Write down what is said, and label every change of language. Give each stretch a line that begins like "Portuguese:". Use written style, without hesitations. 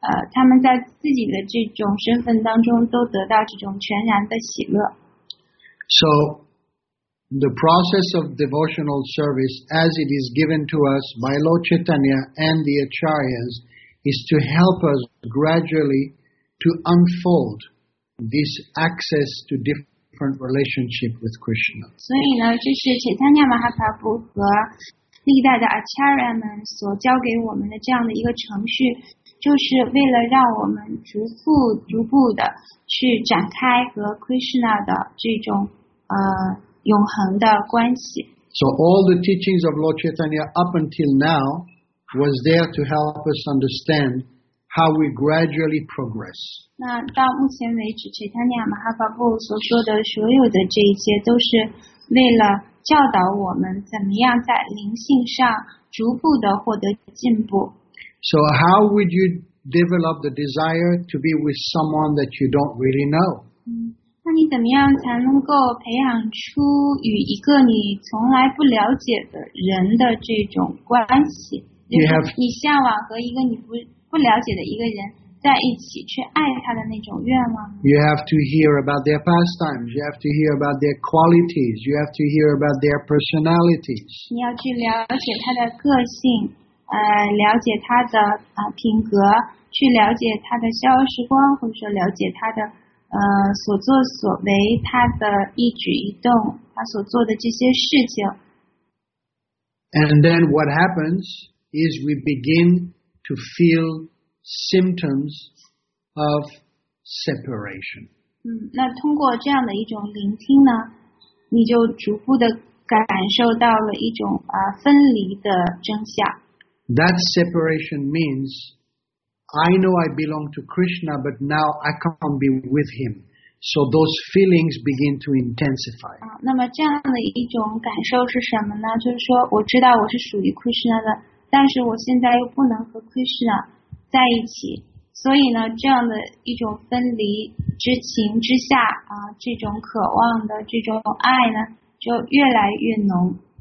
Chinese: 他们在自己的这种身份当中都得到这种全然的喜乐。
English: So, the process of devotional service as it is given to us by Lord Chaitanya and the Acharyas is to help us gradually to unfold this access to different relationship with Krishna.
Chinese: 所以呢，这是 Chaitanya Mahaprabhu 和历代的 Acharya 们所教给我们的这样的一个程序，就是为了让我们逐步的去展开和 Krishna 的这种永恒的关系。
English: So all the teachings of Lord Chaitanya up until now was there to help us understand how we gradually progress.
Chinese: 那到目前为止 ，Chaitanya Mahaprabhu 所说的所有的这一些，都是为了教导我们怎么样在灵性上逐步的获得进步。
English: So how would you develop the desire to be with someone that you don't really know?
Chinese: 那你怎么样才能够培养出与一个你从来不了解的人的这种关系？就是你向往和一个你不了解的一个人在一起，去爱他的那种愿望。
English: You have to hear about their pastimes. You have to hear about their qualities. You have to hear about their personalities.
Chinese: 你要去了解他的个性。了解他的品格，去了解他的逍遥时光，或者说了解他的所作所为，他的一举一动，他所做的这些事情。
English: And then what happens is we begin to feel symptoms of separation.
Chinese: 那通过这样的一种聆听呢，你就逐步的感受到了一种分离的真相。
English: That separation means, I know I belong to Krishna, but now I can't be with him. So those feelings begin to intensify.
Chinese: 那么这样的一种感受是什么呢？就是说，我知道我是属于 Krishna 的，但是我现在又不能和 Krishna 在一起。所以呢，这样的一种分离之情之下，这种渴望的这种爱呢，就越来越浓。